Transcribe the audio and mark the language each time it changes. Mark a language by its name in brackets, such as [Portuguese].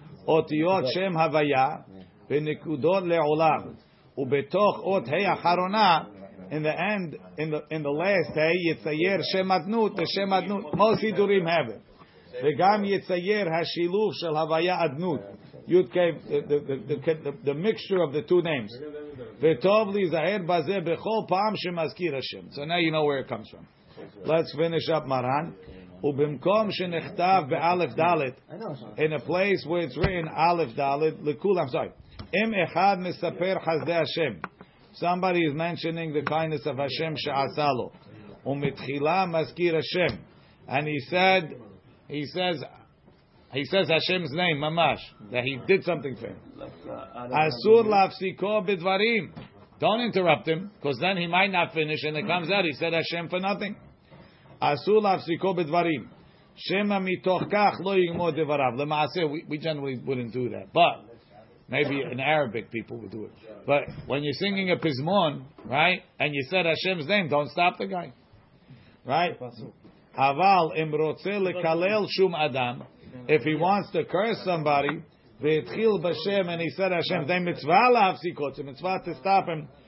[Hebrew] אותיות שם הוויה ונקודות לעולם ובתוך אות ה' אחרונה [English] in the end, in the last [Hebrew] ה' יצייר שם אדנות ושם אדנות, most סידורים have it וגם יצייר השילוב של הוויה אדנות [English] you'd give the mixture of the two names [Hebrew] וטוב להיזהר בזה בכל פעם שמזכיר השם. [English] So now you know where it comes from. Let's finish up Maran. [Hebrew] Ubimkom shenechtav be'alef dalet. [English] In a place where it's written alef dalet lekul. I'm sorry. [Hebrew] Im echad misaper chazde Hashem. [English] Somebody is mentioning the kindness of Hashem she'asalo. [Hebrew] Umitchila maskir Hashem. [English] And he says Hashem's name mamash that he did something for him. [Hebrew] Asur lafsiko bedvarim. [English] Don't interrupt him because then he might not finish and it comes out he said Hashem for nothing. [Hebrew] אסור להפסיקו בדברים. שמה מתוך כך לא יגמור דבריו. [English] למעשה, we generally wouldn't do that. But, maybe in Arabic people would do it. But, when you're singing a pizmon, right, and you said Hashem's name, don't stop the guy. Right? [Hebrew] אבל אם רוצה לקלל שום אדם, [English] if he wants to curse somebody, [Hebrew] והתחיל בשם, [English] and he said Hashem, [Hebrew] זה מצווה להפסיקו, זה מצווה [English] to stop him.